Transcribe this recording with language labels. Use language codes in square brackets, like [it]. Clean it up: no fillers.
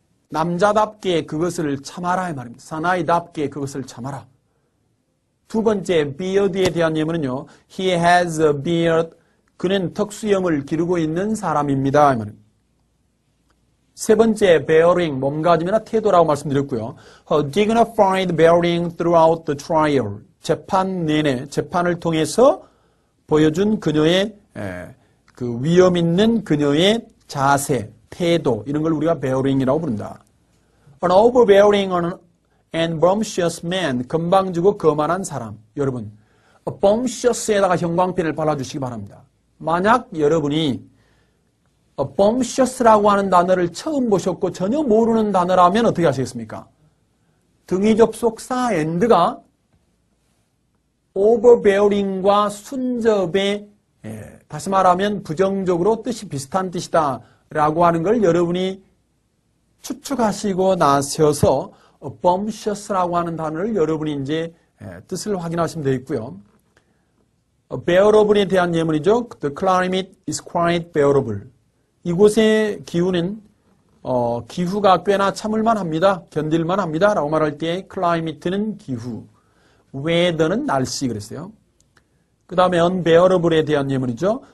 [ko] 남자답게 그것을 참아라 이 말입니다. 사나이답게 그것을 참아라. 두 번째 beard에 대한 예문은요. [en] He has a beard. [ko] 그는 턱수염을 기르고 있는 사람입니다 이 말입니다. 세 번째, bearing, 몸가짐이나 태도라고 말씀드렸고요. [en] A dignified bearing throughout the trial. [ko] 재판 내내, 재판을 통해서 보여준 그녀의 그 위엄 있는 그녀의 자세, 태도 이런 걸 우리가 bearing이라고 부른다. [en] An overbearing and bumptious man, [ko] 건방지고 거만한 사람. 여러분, bumptious에다가 형광펜을 발라주시기 바랍니다. 만약 여러분이 bumptious라고 하는 단어를 처음 보셨고 전혀 모르는 단어라면 어떻게 하시겠습니까? 등이 접속사 and가 overbearing과 순접의 다시 말하면 부정적으로 뜻이 비슷한 뜻이다 라고 하는 걸 여러분이 추측하시고 나서서 bumptious라고 하는 단어를 여러분이 이제 뜻을 확인하시면 되겠고요. bearable에 대한 예문이죠. [en] The climate is quite bearable. [ko] 이곳의 기후는 기후가 꽤나 참을만합니다. 견딜만합니다. 라고 말할 때 climate는 기후, weather는 날씨 그랬어요. 그 다음에 unbearable에 대한 예문이죠.